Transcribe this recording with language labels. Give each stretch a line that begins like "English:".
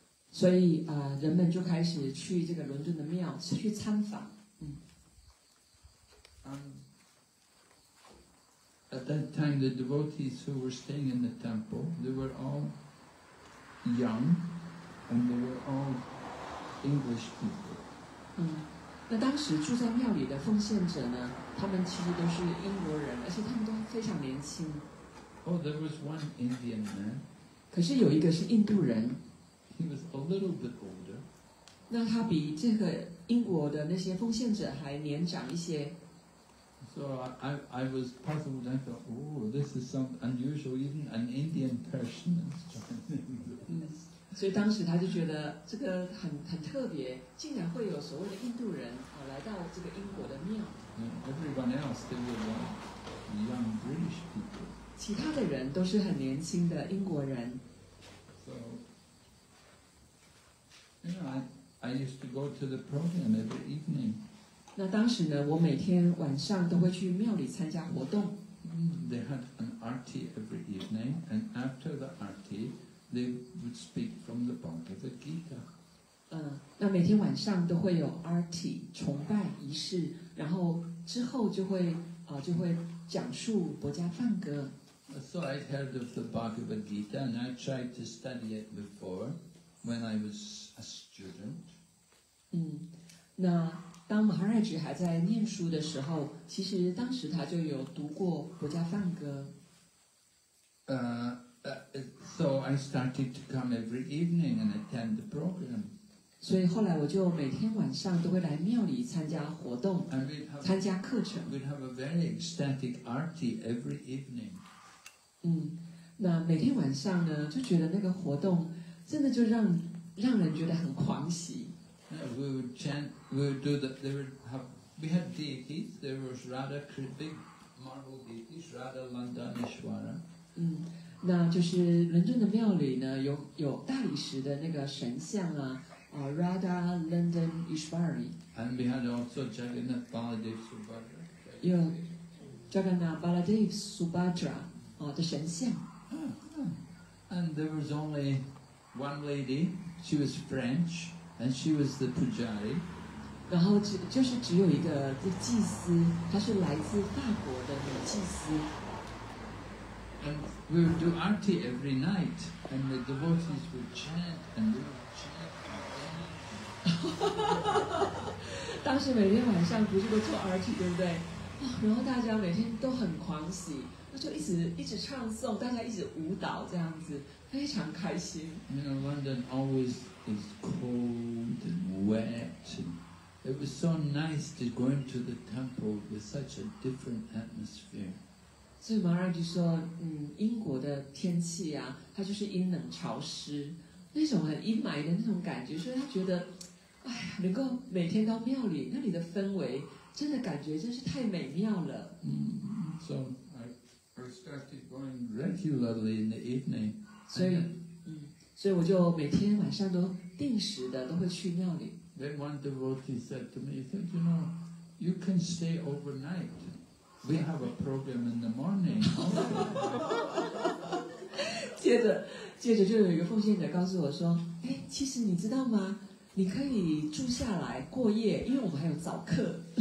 Chinese: 所以、人们就开始去这个伦敦的庙去参访、
English: At that time, the devotees who were staying in the temple, they were all young, and they were all English people.
Chinese: 那当时住在庙里的奉献者呢，他们其实都是英国人，而且他们都非常年轻。
English: Oh, there was one Indian man.
Chinese: 可是有一个是印度人。
English: He was a little bit older.
Chinese: 那他比这个英国的那些奉献者还年长一些。
English: So I was puzzled. I thought, oh, this is some unusual. Even an Indian person is joining.
Chinese: 所以当时他就觉得这个很特别，竟然会有所谓的印度人啊来到这个英国的庙。
English: Everyone else, they were young British people.
Chinese: 其他的人都是很年轻的英国人。
English: So, you know, I used to go to the program every evening.
Chinese: 那当时呢我每天晚上都会去庙里参加活动
English: They had an arti every evening and after the arti they would speak from the Bhagavad Gita
Chinese: 那每天晚上都会有 arti 崇拜仪式然后之后就会讲述薄伽梵歌
English: So I'd heard of the Bhagavad Gita and I tried to study it before when I was a student
Chinese: 那当 Maharaj 还在念书的时候，其实当时他就有读过《薄伽梵歌》。
English: So I started to come every evening and attend the program.
Chinese: 所以后来我就每天晚上都会来庙里参加活动，
English: and we'd have,
Chinese: 参加课程。
English: We'd have a very ecstatic arti every evening.
Chinese: 那每天晚上呢，就觉得那个活动真的就让人觉得很狂喜。
English: Yeah, we would chant, we would do that. We had deities. There was Radha, big marble deities, Radha, Landanishwara.
Chinese: 那就是伦敦的庙里呢，有大理石的那个神像啊，Radha, Landanishwari.
English: And we had also Jagannath Baladev Subhadra.
Chinese: 有 Jagannath Baladev Subhadra 的神像。
English: And there was only one lady. She was French. And she was the Pujari.
Chinese: 然后就是只有一个祭司，她是来自法国的女祭司。
English: And we would do arti every night, and the devotees would chant, and we would chant.
Chinese: 当时每天晚上不是都做 arti 对不对？然后大家每天都很狂喜，他就一直唱诵，大家一直舞蹈这样子，非常开心。
English: You know, London always is cold and wet. It was so nice to go into the temple with such a different atmosphere.
Chinese: 所以马拉就说，英国的天气啊，它就是阴冷潮湿，那种很阴霾的那种感觉，所以他觉得，哎呀，能够每天到庙里，那里的氛围真的感觉真是太美妙了。
English: So I started going regularly in the evening.
Chinese: 所以我就每天晚上都定时的都会去庙里。
English: Then one devotee said to me, he said, you know, you can stay overnight. We have a program in the morning.
Chinese: 接着就有一个奉献者告诉我说，哎，其实你知道吗？你可以住下来过夜，因为我们还有早课。